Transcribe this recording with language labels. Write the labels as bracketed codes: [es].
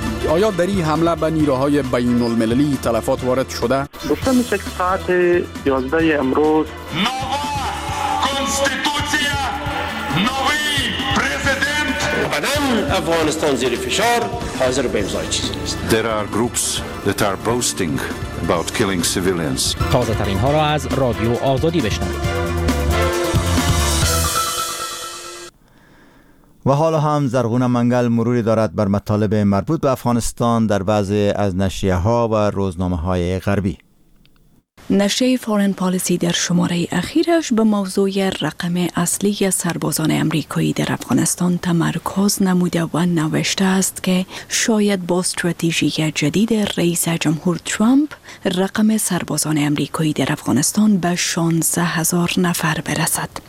[fa] آیا در این حمله به نیروهای بین المللی تلفات وارد شده؟ گفته میشه که ساعت 11 امروز افغانستان زیر فشار، حاضر به امضای چیزی نیست. [en] There are groups that are boasting about killing civilians. [fa] تازه ترین ها را از رادیو آزادی بشنوید. و حالا هم زرغون منگل مروری دارد بر مطالب مربوط به افغانستان در بعضی از نشریه ها و روزنامه های غربی. نشریه فارن پالیسی در شماره اخیرش به موضوع رقم اصلی سربازان امریکایی در افغانستان تمرکز نموده و نوشته است که شاید با استراتژی جدید رئیس جمهور ترامپ رقم سربازان امریکایی در افغانستان به 16,000 نفر برسد.